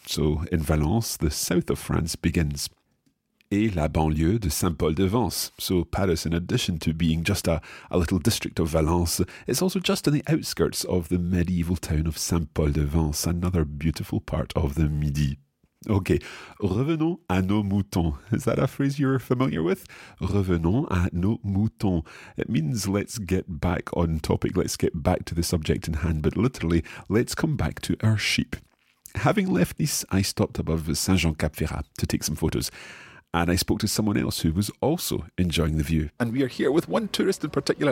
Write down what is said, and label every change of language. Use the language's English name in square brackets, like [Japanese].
[English] So in Valence, the south of France begins. [French] Et la banlieue de Saint-Paul-de-Vence. [English] So Paris, in addition to being just a little district of Valence, it's also just on the outskirts of the medieval town of Saint-Paul-de-Vence, another beautiful part of the Midi. [French] Okay, revenons à nos moutons. [English] Is that a phrase you're familiar with? [French] Revenons à nos moutons. [English] It means let's get back on topic, let's get back to the subject in hand, but literally, let's come back to our sheep. Having left Nice, I stopped above Saint-Jean-Cap-Ferrat to take some photos. And I spoke to someone else who was also enjoying the view. And we are here with one tourist in particular.